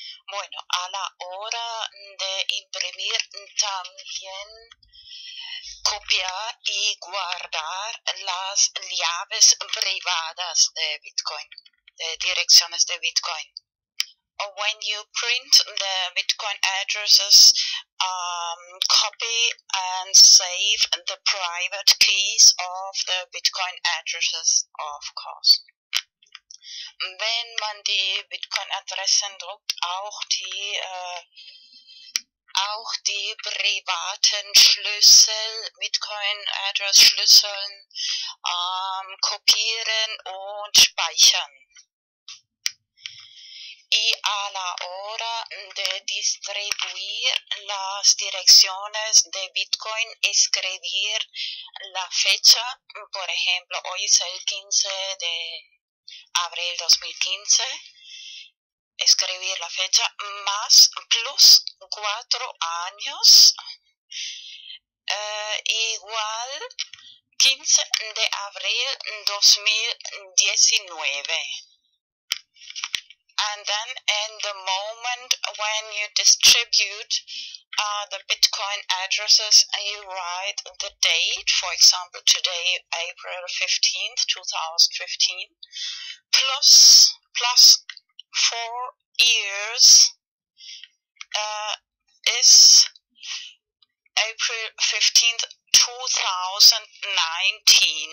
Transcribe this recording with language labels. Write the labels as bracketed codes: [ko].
[es] Bueno, a la hora de imprimir también copiar y guardar las llaves privadas de Bitcoin, de direcciones de Bitcoin. [en] When you print the Bitcoin addresses, copy and save the private keys of the Bitcoin addresses, of course. [de] Wenn man die Bitcoin-Adressen druckt, auch die privaten Schlüssel, Bitcoin-Address-Schlüsseln, kopieren und speichern. [es] Y a la hora de distribuir las direcciones de Bitcoin, escribir la fecha, por ejemplo, hoy es el 15 de abril 2015, escribir la fecha más plus 4 años igual 15 de abril 2019. [en] And then in the moment when you distribute the Bitcoin addresses, you write the date, for example, today, April 15th, 2015, plus 4 years is April 15th, 2019.